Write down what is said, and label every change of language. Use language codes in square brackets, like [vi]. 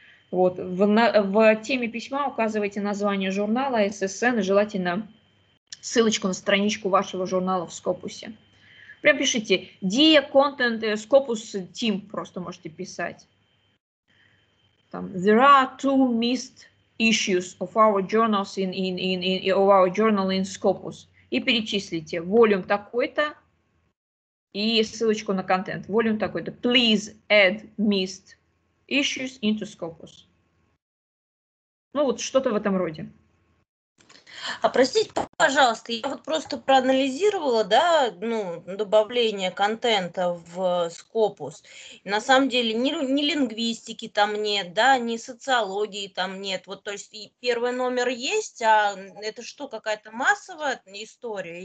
[ru] Вот, в теме письма указывайте название журнала, SSN, желательно ссылочку на страничку вашего журнала в Скопусе. Прям пишите [en] Dear Content Scopus Team, [ru] просто можете писать. Там, [en] there are two missed issues of our journals in of our journal in Scopus. [ru] И перечислите volume такой-то и ссылочку на контент. Volume такой-то. [en] Please add missed issues into Scopus. [ru] Ну вот что-то в этом роде. А простите, пожалуйста, я вот просто проанализировала, да, ну, добавление контента в Scopus. На самом деле ни лингвистики там нет, да, ни социологии там нет. Вот, то есть, первый номер есть, а это что, какая-то массовая история?